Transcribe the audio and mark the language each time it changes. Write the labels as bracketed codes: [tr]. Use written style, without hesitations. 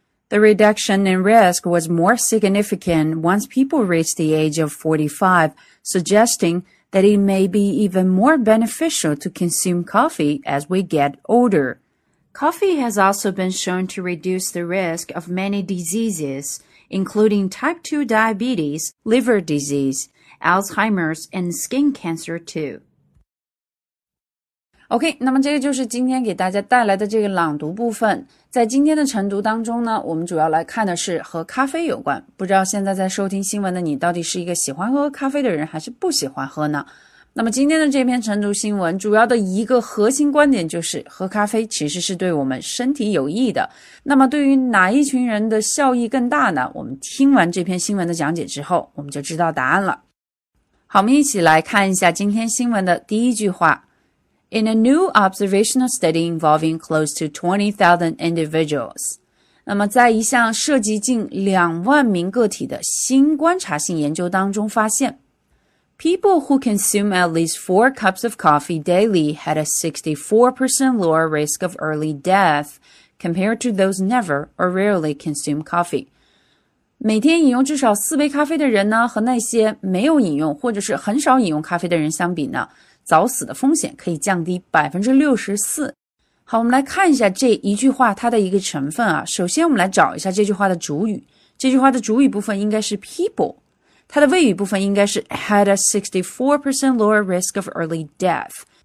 [en] The reduction in risk was more significant once people reached the age of 45, suggesting that it may be even more beneficial to consume coffee as we get older. Coffee has also been shown to reduce the risk of many diseases,including type 2 diabetes, liver disease, Alzheimer's, and skin cancer too. [zh] OK, 那么这个就是今天给大家带来的这个朗读部分。在今天的晨读当中呢，我们主要来看的是和咖啡有关。不知道现在在收听新闻的你到底是一个喜欢喝咖啡的人还是不喜欢喝呢？那么今天的这篇晨读新闻主要的一个核心观点就是喝咖啡其实是对我们身体有益的。那么对于哪一群人的效益更大呢？我们听完这篇新闻的讲解之后，我们就知道答案了。好，我们一起来看一下今天新闻的第一句话。 [en] In a new observational study involving close to 20,000 individuals. [zh] 那么在一项涉及近20,000名个体的新观察性研究当中发现， [en] People who consume at least 4 cups of coffee daily had a 64% lower risk of early death compared to those never or rarely consume coffee. [zh] 每天饮用至少4杯咖啡的人呢，和那些没有饮用或者是很少饮用咖啡的人相比呢，早死的风险可以降低 64%。好，我们来看一下这一句话它的一个成分啊。首先我们来找一下这句话的主语。这句话的主语部分应该是 people。它的谓语部分应该是 [en] had a 64% lower risk of early death.